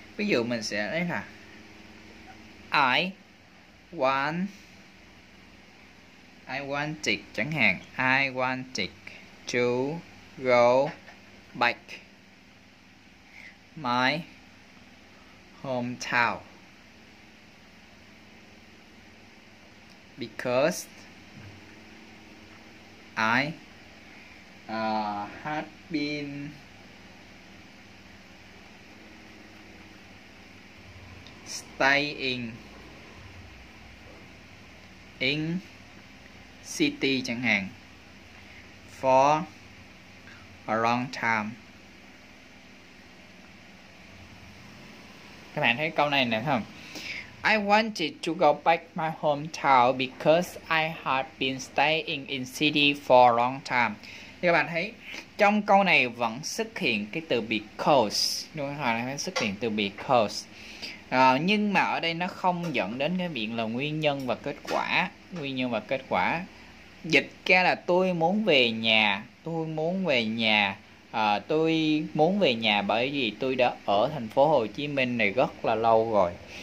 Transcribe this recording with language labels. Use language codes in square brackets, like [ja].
[vi] Ví dụ mình sẽ lấy là [en] I wanted [vi] chẳng hạn. [en] I wanted to go back my hometown because I had been staying in city [vi] chẳng hạn [en] for a long time. [vi] Các bạn thấy câu này nè không? [en] I wanted to go back my hometown because I had been staying in city for a long time. [vi] Các bạn thấy trong câu này vẫn xuất hiện cái từ because, đúng không? Nó xuất hiện từ because. Nhưng mà ở đây nó không dẫn đến cái biện là nguyên nhân và kết quả. Nguyên nhân và kết quả dịch ra là tôi muốn về nhà bởi vì tôi đã ở thành phố Hồ Chí Minh này rất là lâu rồi.